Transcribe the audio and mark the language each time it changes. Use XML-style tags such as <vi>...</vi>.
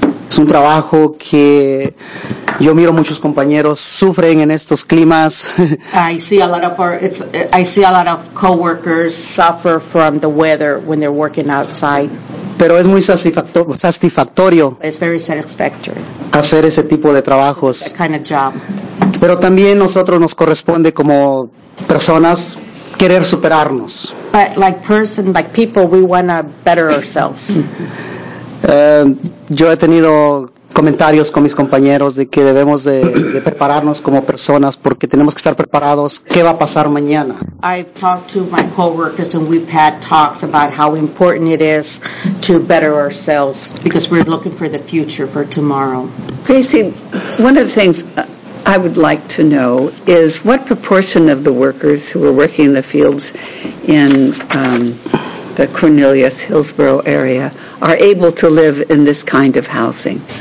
<es>Es un trabajo que yo miro muchos compañeros sufren en estos climas.</es> <en>I see a lot of coworkers suffer from the weather when they're working outside.</en> <es>Pero es muy satisfactorio.</es> <en>It's very satisfactory.</en> <es>Hacer ese tipo de trabajos.</es> <en>That kind of job.</en> <es>Pero también nosotros nos corresponde como personas querer superarnos.</es> <en>But like person, like people, we want to better ourselves.</en> <es>Yo he tenido comentarios con mis compañeros de que debemos de prepararnos como personas porque tenemos que estar preparados qué va a pasar mañana.</es> <en>I've talked to my coworkers and we've had talks about how important it is to better ourselves because we're looking for the future, for tomorrow. Casey, one of the things I would like to know is what proportion of the workers who are working in the fields in the Cornelius Hillsborough area are able to live in this kind of housing?</en>